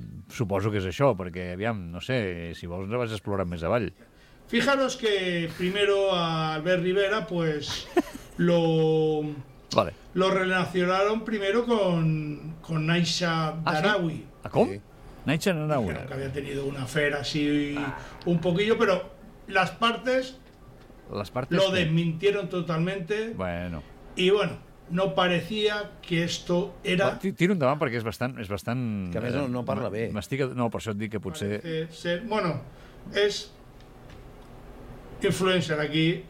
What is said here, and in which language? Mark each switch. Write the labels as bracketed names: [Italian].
[Catalan] Suposo que és això, perquè aviam, no sé, si vols no vas explorant més avall. [Spanish] Fijaros que primero a Albert Rivera, pues lo... Vale. Lo relacionaron primero con Naixa Darawi. ¿A cómo? Naixa Darawi. Que había tenido una affair así un poquillo, pero las partes lo desmintieron totalmente. Bueno. Y bueno, no parecía que esto era... [Catalan] Tira endavant perquè és bastant... Que a més no parla bé. No, per això et dic que potser... [Spanish] Bueno, es influencer aquí.